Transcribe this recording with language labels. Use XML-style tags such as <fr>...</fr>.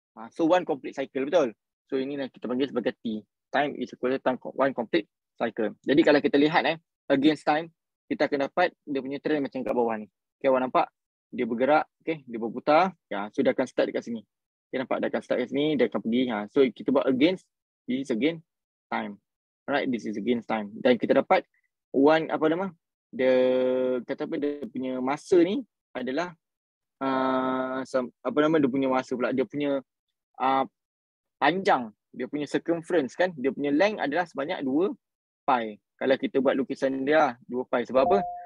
<en>So, one complete cycle,</en> <ms>betul? So, ini kita panggil sebagai T.</ms> <en>Time is equal to time, one complete cycle.</en> <ms>Jadi, kalau kita lihat against time, kita akan dapat dia punya trend macam kat bawah ni. Okay, awak nampak? Dia bergerak, okay, dia berputar, ya, so dia akan start dekat sini. Okay, nampak? Dia akan start dekat sini, dia akan pergi. Ya.</ms> <en>So,</en> <ms>kita buat</ms> <en>against, this is again time. Alright, this is again time.</en> <ms>Dan kita dapat</ms> <en>one,</en> <ms>apa nama? The, kata apa, dia punya masa ni adalah, apa nama dia punya masa pula? Dia punya panjang, dia punya circumference kan? Dia punya length adalah sebanyak 2 pi. Kalau kita buat lukisan dia, 2 pi. Sebab apa?</ms>